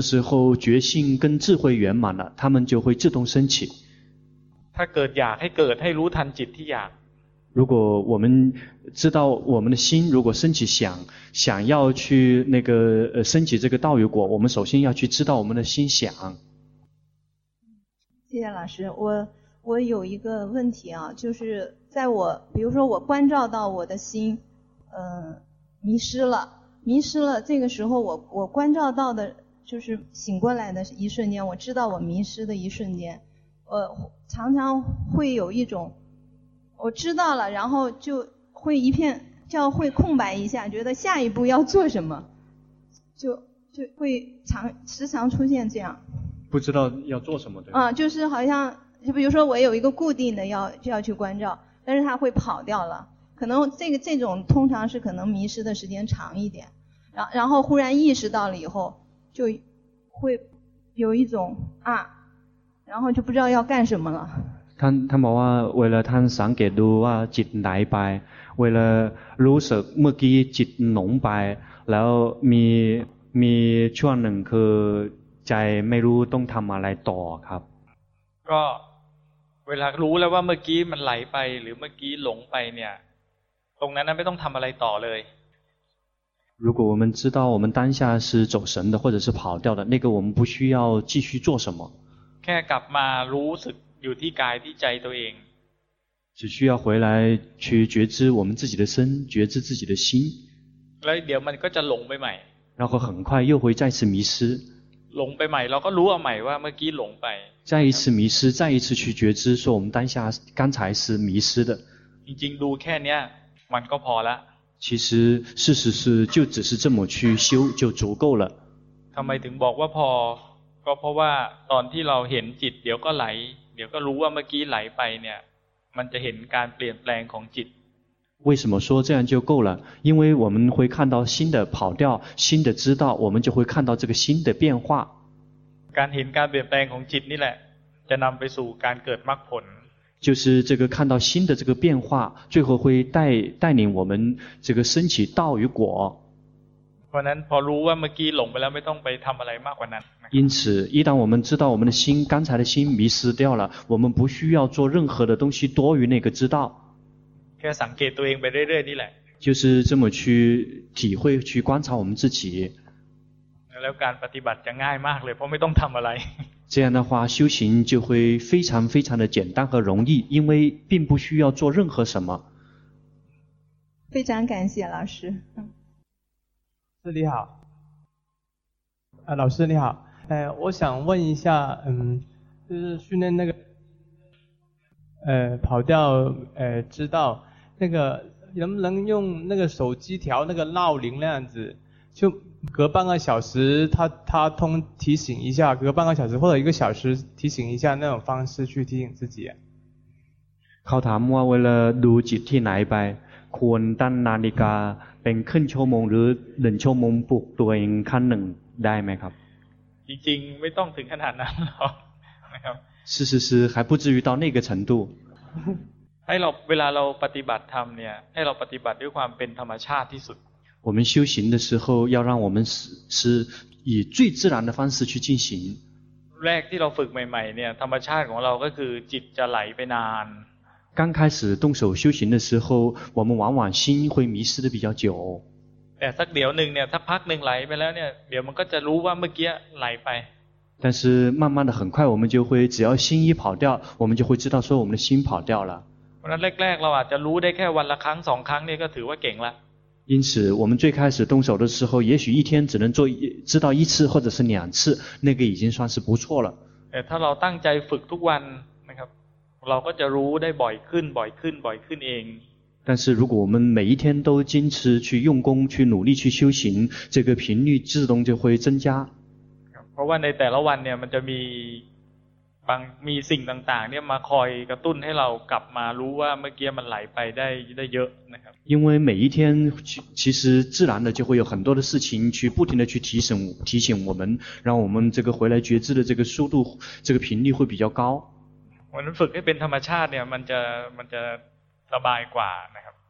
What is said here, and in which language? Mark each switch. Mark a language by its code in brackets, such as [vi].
[zh] 时候决心跟智慧圆满了他们就会自动升起 [th] 他เกิดอยากให้เกิดให้รู้ทันจิตที่อยาก [zh] 如果我们知道我们的心如果升起想要去那个升起这个道与果我们首先要去知道我们的心想谢谢老师我有一个问题啊就是在我比如说我关照到我的心迷失了这个时候我关照到的就是醒过来的一瞬间我知道我迷失的一瞬间我常常会有一种我知道了然后就会一片叫会空白一下觉得下一步要做什么就会时常出现这样不知道要做什么对吧、就是好像就比如说我有一个固定的要去关照但是它会跑掉了可能这种通常是可能迷失的时间长一点然后忽然意识到了以后就会有一种啊然后就不知道要干什么了 [th] 他บอกว่า [zh] 为了 [th] 他想给รู้ว่าจิตไหลไป为了รู้สึกเมื่อกี้จิตหลงไปแล้วมีช่วงหนึ่งคือใจไม่รู้ต้องทำอะไรต่อครับ ก็เวลารู้แล้วว่าเมื่อกี้มันไหลไปหรือเมื่อกี้หลงไปเนี่ยตรงนั้นไม่ต้องทำอะไรต่อเลย [zh] 如果我们知道我们当下是走神的或者是跑掉的那个我们不需要继续做什么 [th] แค่กลับมารู้สึกอยู่ที่กายที่ใจตัวเอง [zh] 只需要回来去觉知我们自己的身觉知自己的心 [th] แล้วเดี๋ยวมันก็จะหลงไปใหม่ [zh] 然后很快又会再次迷失 [th] หลงไปใหม่เราก็รู้เอาใหม่ว่าเมื่อกี้หลงไป [zh] 再一次迷失再一次去觉知说我们当下刚才是迷失的 [th] จริงๆดูแค่นี้มันก็พอละ [zh] 其实事实是就只是这么去修就足够了 [th] ทำไมถึงบอกว่าพอก็เพราะว่าตอนที่เราเห็นจิตเดี๋ยวก็ไหลเดี๋ยวก็รู้ว่าเมื่อกี้ไหลไปเนี่ยมันจะเห็นการเปลี่ยนแปลงของจิต [zh] 为什么说这样就够了因为我们会看到新的跑掉新的知道我们就会看到这个新的变化 [th] การเห็นการเปลี่ยนแปลงของจิตนี่แหละจะนำไปสู่การเกิดมรรคผล [zh] 就是这个看到新的这个变化最后会带领我们这个升起道与果 [th] เพราะนั้นพอรู้ว่าเมื่อกี้หลงไปแล้วไม่ต้องไปทำอะไรมากกว่านั้น [zh] 因此一旦我们知道我们的心刚才的心迷失掉了我们不需要做任何的东西多于那个知道 [th] แค่สังเกตตัวเองไปเรื่อยๆนี่แหละ [zh] 就是这么去体会去观察我们自己 [th] แล้วการปฏิบัติจะง่ายมากเลยเพราะไม่ต้องทำอะไร [zh] 这样的话修行就会非常非常的简单和容易因为并不需要做任何什么非常感谢老师师你好老师你好我想问一下就是训练那个跑掉知道那个能不能用那个手机调那个闹铃那样子就隔半个小时他通提醒一下隔半个小时或者一个小时提醒一下那种方式去提醒自己 [th] คำถามว่า [zh] 为了 [th] ดูจิตที่ไหนไปควรตั้งนาฬิกาเป็นครึ่งชั่วโมงหรือ1ชั่วโมงปลุกตัวเองขั้นหนึ่งได้ไหมครับ จริงๆไม่ต้องถึงขนาดนั้นหรอก [zh] สิ还不至于到那个程度 [th] ให้เราเวลาเราปฏิบัติธรรมเนี่ยให้เราปฏิบัติด้วยความเป็นธรรมชาติที่สุด [zh] 我们修行的时候要让我们 是以最自然的方式去进行 [th] แรกที่เราฝึกใหม่ๆเนี่ยธรรมชาติของเราก็คือจิตจะไหลไปนาน [zh] 刚开始动手修行的时候我们往往心会迷失的比较久 [th] แต่สักเดี๋ยวนึงเนี่ยสักพักนึงไหลไปแล้วเนี่ยเดี๋ยวมันก็จะรู้ว่าเมื่อกี้ไหลไป [zh] 但是慢慢的很快我们就会只要心一跑掉我们就会知道说我们的心跑掉了 [th] 那แรกๆเราอาจจะรู้ได้แค่วันละครั้ง2ครั้งนี่ก็ถือว่าเก่งละ [zh] 因此我们最开始动手的时候也许一天只能做知道一次或者是两次那个已经算是不错了 [th] ถ้าเราตั้งใจฝึกทุกวันนะครับเราก็จะรู้ได้บ่อยขึ้นบ่อยขึ้นบ่อยขึ้นเอง [zh] 但是如果我们每一天都坚持去用功去努力去修行这个频率自动就会增加 [th] เพราะว่าในแต่ละวันเนี่ยมันจะมีบางมีสิ่งต่างๆเนี่ยมาคอยกระตุ้นให้เรากลับมารู้ว่าเมื่อกี้มันไหลไปได้ได้เยอะนะครับ [zh] 因为每一天其实自然的就会有很多的事情去不停的去提醒我们让我们这个回来觉知的这个速度这个频率会比较高我们 [th] ฝึกให้เป็นธรรมชาติเนี่ยมันจะสบายกว่านะครับ